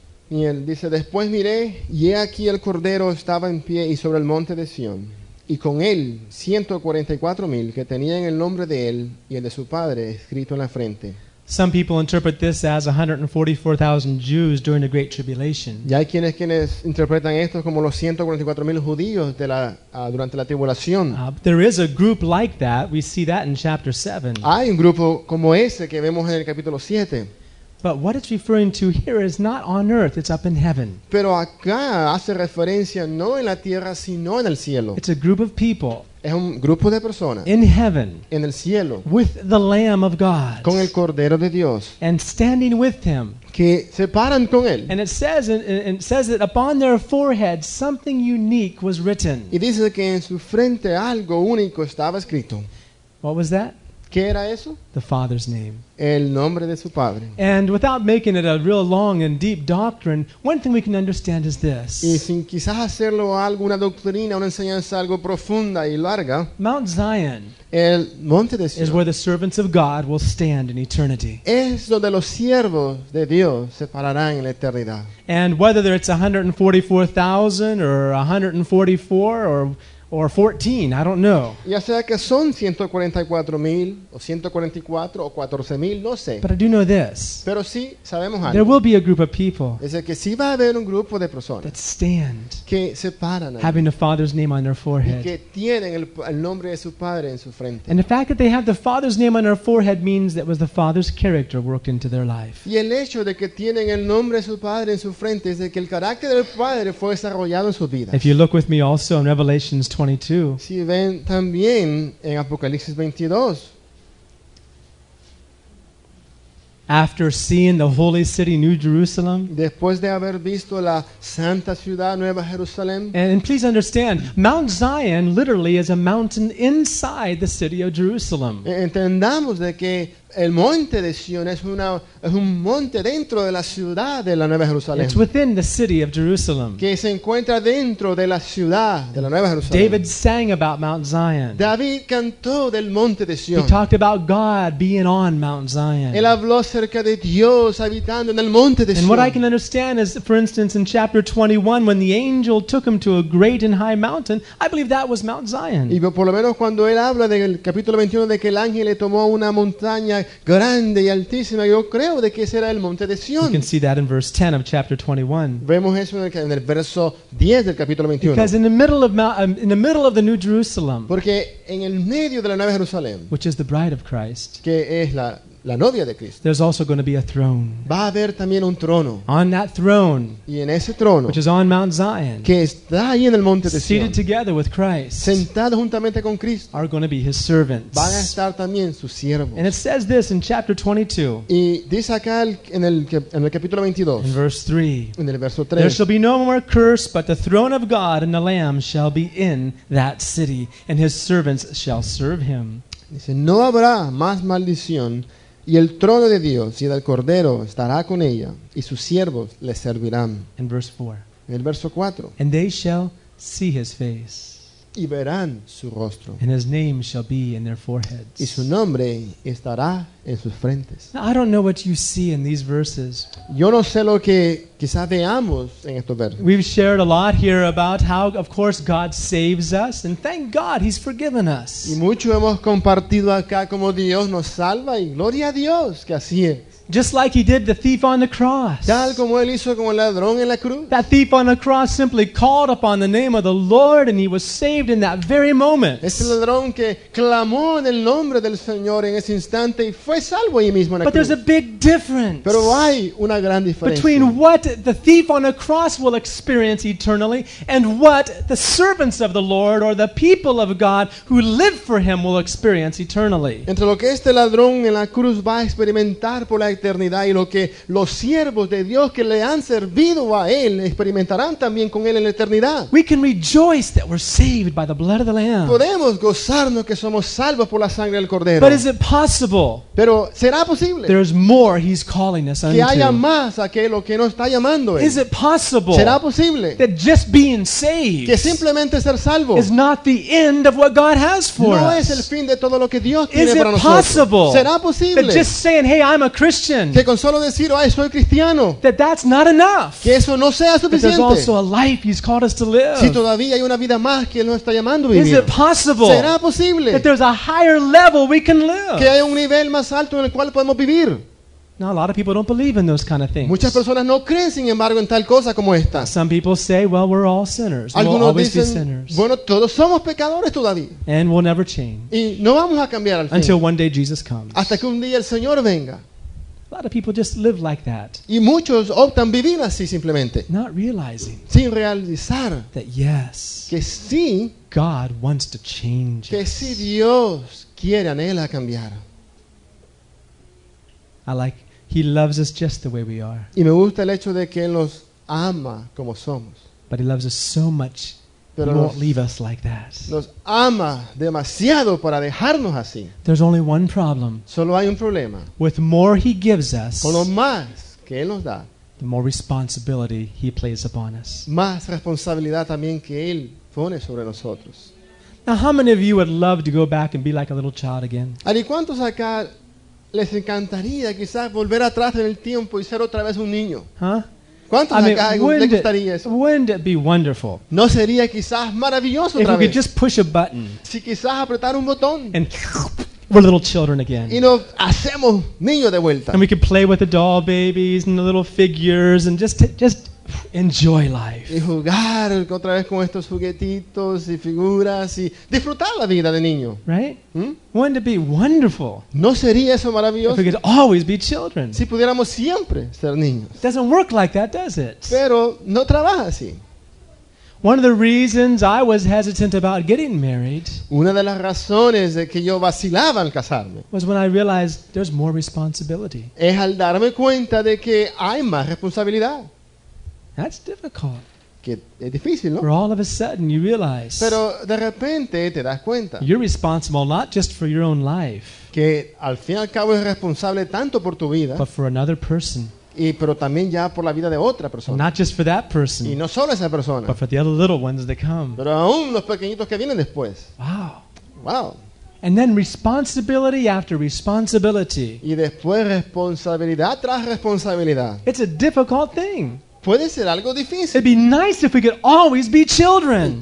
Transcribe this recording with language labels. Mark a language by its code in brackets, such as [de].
[es] Y él dice, "Después miré, y he aquí el cordero estaba en pie y sobre el monte de Sion, y con él 144,000 que tenían el nombre de él y el de su padre escrito en la frente." [en] Some people interpret this as 144,000 Jews during the Great Tribulation. [es] Ya hay quienes interpretan esto como los 144,000 judíos de la durante la tribulación. [en] There is a group like that. We see that in chapter 7. [es] Hay un grupo como ese que vemos en el capítulo 7. [en] But what it's referring to here is not on earth, it's up in heaven. [es] Pero acá hace referencia no en la tierra sino en el cielo. [en] It's a group of people. [es] Es un grupo de personas. [en] In heaven. [es] En el cielo. [en] With the Lamb of God. [es] Con el Cordero de Dios. [en] And standing with him. [es] Que se paran con él. [en] And it says that upon their forehead something unique was written. [es] Y dice que en su frente algo único estaba escrito. [en] What was that? [es] ¿Qué era eso? [en] The Father's name. [es] El nombre de su padre. [en] And without making it a real long and deep doctrine, one thing we can understand is this. [es] Y sin quizás hacerlo algo, una doctrina, una enseñanza algo profunda y larga. [en] Mount Zion. [es] El monte de Sion. [en] Is where the servants of God will stand in eternity. [es] Es donde los siervos de Dios se pararán en la eternidad. [en] And whether it's 144,000 or 144 or 14, I don't know. [es] Ya sea que son 144,000 o 144 o 14,000, no sé. [en] But I do know this. [es] Pero sí sabemos algo. [en] There will be a group of people. [es] Es decir, que sí va a haber un grupo de personas. [en] That stand. [es] Que se paran. [en] Having the Father's name on their forehead. [es] Y que tienen el nombre de su padre en su frente. [en] And the fact that they have the Father's name on their forehead means that was the Father's character worked into their life. [es] Y el hecho de que tienen el nombre de su padre en su frente es de que el carácter del padre fue desarrollado en su vida. [en] If you look with me also in Revelation 22. [es] Si ven también en Apocalipsis 22. [en] After seeing the holy city, New Jerusalem. [es] Después de haber visto la santa ciudad, Nueva Jerusalén. [en] And please understand, Mount Zion literally is a mountain inside the city of Jerusalem. [es] Entendamos de que el monte de Sion es un monte dentro de la ciudad de la Nueva Jerusalén. [en] It's within the city of Jerusalem. [es] Que se encuentra dentro de la ciudad de la Nueva Jerusalén. [en] David sang about Mount Zion. [es] David cantó del monte de Sion. [en] He talked about God being on Mount Zion. [es] Él habló acerca de Dios habitando en el monte de Sion. [en] And what I can understand is, for instance, in chapter 21, when the angel took him to a great and high mountain, I believe that was Mount Zion. [es] Y por lo menos cuando él habla del capítulo 21 de que el ángel le tomó una montaña grande y altísima. Yo creo de que será el monte de Sion. [en] You can see that in verse 10 of chapter 21. [es] Vemos eso en el verso 10 del capítulo 21. [en] Because in the middle of the New Jerusalem. [es] Porque en el medio de la Nueva Jerusalén. [en] Which is the bride of Christ. [es] Que es la la novia de Cristo. [en] There's also going to be a throne. [es] Va a haber también un trono. [en] On that throne. [es] Y en ese trono. [en] Which is on Mount Zion. [es] Que está ahí en el monte de Sion. [en] Seated together with Christ. [es] Sentado juntamente con Cristo. [en] Are going to be his servants. [es] Van a estar también sus siervos. [en] And it says this in chapter 22. [es] Y dice acá en el capítulo 22. [en] In verse 3. [es] En el verso 3. [en] There shall be no more curse, but the throne of God and the Lamb shall be in that city, and his servants shall serve him. [es] Dice, no habrá más maldición. Y el trono de Dios y del Cordero estará con ella, y sus siervos le servirán. [en] In verse 4. [es] En el verso 4. [en] And they shall see his face. [es] Y verán su rostro. [en] And his name shall be in their foreheads. [es] Y su nombre estará en sus frentes. [en] Now, I don't know what you see in these verses. [es] Yo no sé lo que quizás veamos en estos versos. [en] We've shared a lot here about how, of course, God saves us, and thank God he's forgiven us. [es] Y mucho hemos compartido acá como Dios nos salva, y gloria a Dios que así es. [en] Just like he did the thief on the cross. [es] Tal como él hizo con el ladrón en la cruz. [en] That thief on the cross simply called upon the name of the Lord and he was saved in that very moment. [es] Ese ladrón que clamó en el nombre del Señor en ese instante y fue salvo ahí mismo en la cruz. [en] There's a big difference. [es] Pero hay una gran diferencia. [en] Between what the thief on the cross will experience eternally and what the servants of the Lord or the people of God who live for him will experience eternally. [es] Entre lo que este ladrón en la cruz va a experimentar por la eternidad y lo que los siervos de Dios que le han servido a él experimentarán también con él en la eternidad. [en] We can rejoice that we're saved by the blood of the Lamb. [es] Podemos gozarnos que somos salvos por la sangre del Cordero. [en] But is it possible? [es] Pero ¿será posible? [en] There's more he's calling us unto. [es] Que haya más aquello que nos está llamando él. [en] Is it possible? [es] ¿Será posible? [en] That just being saved. [es] Que simplemente ser salvo. [en] Is not the end of what God has for [es] no [en] us. [es] No es el fin de todo lo que Dios tiene [en] is [es] para nosotros. [en] Is it possible? [es] ¿Será posible? [en] That just saying, hey, I'm a Christian. [es] Que con solo decir, ay, soy cristiano. [en] That's not enough. [es] Que eso no sea suficiente. [en] There's also a life he's called us to live. [es] Si todavía hay una vida más que él nos está llamando a vivir. [en] Is it possible? [es] ¿Será posible? [en] That there's a higher level we can live. [es] Que hay un nivel más alto en el cual podemos vivir. [en] Now, a lot of people don't believe in those kind of things. [es] Muchas personas no creen, sin embargo, en tal cosa como esta. [en] Some people say, well, we're all sinners. [es] Algunos [en] we'll always [es] dicen, [en] be sinners. [es] Bueno, todos somos pecadores todavía. [en] And we'll never change. [es] Y no vamos a cambiar al fin. [en] Until one day Jesus comes. [es] Hasta que un día el Señor venga. [en] A lot of people just live like that. [es] Y muchos optan vivir así simplemente. [en] Not realizing. [es] Sin realizar. [en] That yes. [es] Que sí. [en] God wants to change. [es] Que sí, Dios quiere, anhela cambiar. [en] I like, he loves us just the way we are. [es] Y me gusta el hecho de que él nos ama como somos. [en] But he loves us so much. [es] Pero [en] he won't leave us like that. [es] Nos ama demasiado para dejarnos así. [en] There's only one problem. [es] Solo hay un problema. [en] With more he gives us, [es] con lo más que él nos da, [en] the more responsibility he plays upon us. [es] Más responsabilidad también que él pone sobre nosotros. [en] Now, how many of you would love to go back and be like a little child again? [es] ¿Y cuántos acá les encantaría quizás volver atrás en el tiempo y ser otra vez un niño? Huh? ¿Cuántos [en] I mean, wouldn't it be wonderful? [es] ¿No sería quizás maravilloso [en] if [es] otra [en] we could [es] vez? [en] Just push a button [es] si quizás apretar un botón, [en] and we're little children again. [es] Y nos hacemos niños de vuelta. [en] And we could play with the doll babies and the little figures and just enjoy life. [es] Y jugar otra vez con estos juguetitos y figuras y disfrutar la vida de niño. [en] Right? Hmm? Wouldn't it be wonderful? [es] ¿No sería eso maravilloso? [en] If we could always be children. [es] Si pudiéramos siempre ser niños. [en] It doesn't work like that, does it? [es] Pero no trabaja así. [en] One of the reasons I was hesitant about getting married. [es] Una de las razones de que yo vacilaba al casarme. [en] Was when I realized there's more responsibility. [es] Es al darme cuenta de que hay más responsabilidad. [en] That's difficult. [es] Que es difícil, ¿no? [en] For all of a sudden you realize. [es] Pero de repente te das cuenta. [en] You're responsible not just for your own life. [es] Que al fin y al cabo es responsable tanto por tu vida. [en] But for another person. [es] Y pero también ya por la vida de otra persona. [en] Not just for that person. [es] Y no solo esa persona. [en] But for the other little ones that come. [es] Pero aún los pequeñitos que vienen después. Wow. Wow. [en] And then responsibility after responsibility. [es] Y después responsabilidad tras responsabilidad. [en] It's a difficult thing. [es] puede ser algo difícil. [en] It'd be nice if we could always be children.